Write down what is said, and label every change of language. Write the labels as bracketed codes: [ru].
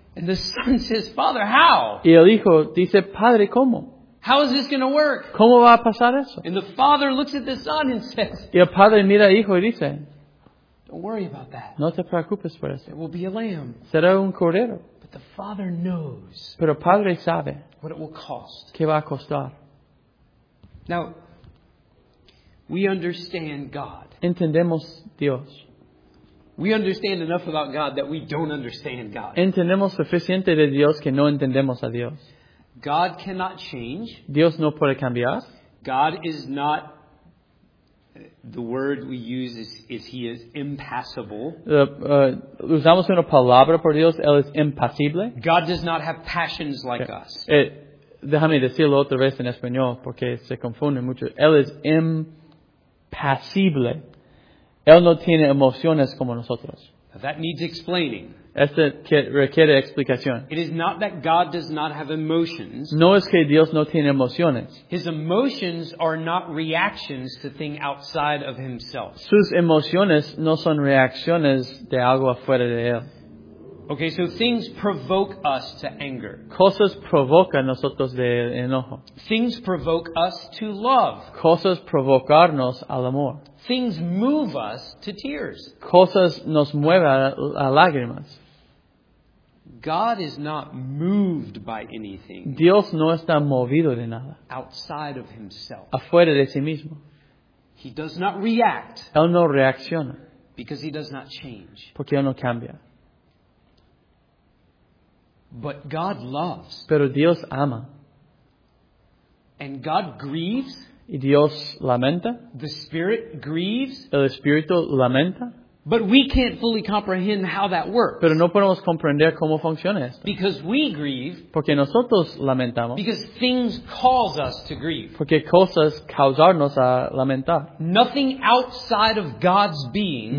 [en] And the son says, Father, how? [es] Y el hijo dice, Padre, ¿cómo? [en] How is this going to work? [es] ¿Cómo va a pasar eso? [en] And the father looks at the son and says, [es] y el padre mira al hijo y dice, [en] don't worry about that. [es] No te preocupes por eso. [en] It will be a lamb. [es] Será un cordero. [en] But the father knows. [es] Pero el padre sabe. [en] What it will cost. [es] ¿Qué va a costar? [en] Now, we understand God. [es] Entendemos Dios. [en] We understand enough about God that we don't understand God. [es] Entendemos suficiente de Dios que no entendemos a Dios. [en] God cannot change. [es] Dios no puede cambiar. [en] God is not, the word we use is he is impassible. [es] Usamos una palabra por Dios, él es impasible. [en] God does not have passions like us. [es] Déjame decirlo otra vez en español porque se confunde mucho. Él es impasible. Él no tiene emociones como nosotros. [en] Now that needs explaining. [es] Esto requiere explicación. [en] It is not that God does not have emotions. [es] No es que Dios no tiene emociones. [en] His emotions are not reactions to things outside of himself. [es] Sus emociones no son reacciones de algo afuera de él. [en] Okay, so things provoke us to anger. [es] Cosas provocan nosotros de enojo. [en] Things provoke us to love. [es] Cosas provocarnos al amor. [en] Things move us to tears. [es] Cosas nos mueven a lágrimas. [en] God is not moved by anything. [es] Dios no está movido de nada. [en] Outside of himself. [es] Afuera de sí mismo. [en] He does not react. [es] Él no reacciona. [en] Because he does not change. [es] Porque él no cambia. [en] But God loves. [es] Pero Dios ama. [en] And God grieves. [es] Y Dios lamenta. [en] The Spirit grieves. [es] El Espíritu lamenta. [en] But we can't fully comprehend how that works. [es] Pero no podemos comprender cómo funciona esto. [en] Because we grieve. [es] Porque nosotros lamentamos. [en] Because things cause us to grieve. [es] Porque cosas causarnos a lamentar. [en] Nothing outside of God's being.